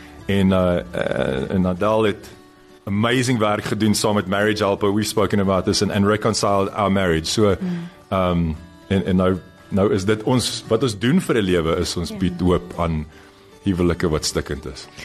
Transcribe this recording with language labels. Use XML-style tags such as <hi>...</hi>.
<af>En Adele het amazing werk gedoen saam met Marriage Helper.</af> <en>We've spoken about this and reconciled our marriage.</en> <af>So en nou is dit ons wat ons doen vir 'n lewe is ons bied hoop aan huwelike wat stikkend is.</af>